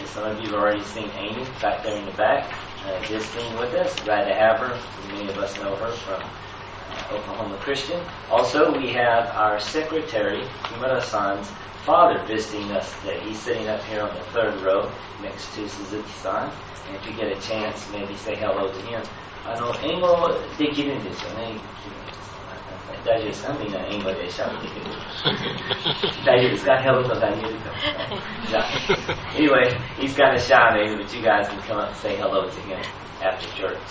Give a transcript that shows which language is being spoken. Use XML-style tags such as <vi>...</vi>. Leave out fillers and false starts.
<en>Some of you have already seen Amy back there in the back, visiting with us. Glad to have her. Many of us know her from Oklahoma Christian. Also, we have our secretary, Kimura-san's father visiting us today. He's sitting up here on the third row next to Suzuki-san. And if you get a chance, maybe say hello to him.</en> <ja>英語できるんですよね。大丈夫ですか？みんな英語で喋ってくれる。大丈夫ですか？ヘルトが言えるかもしれない。じゃあ、</ja> <en>anyway, he's kind of shy. Maybe, but you guys can come up and say hello to him after church.</en>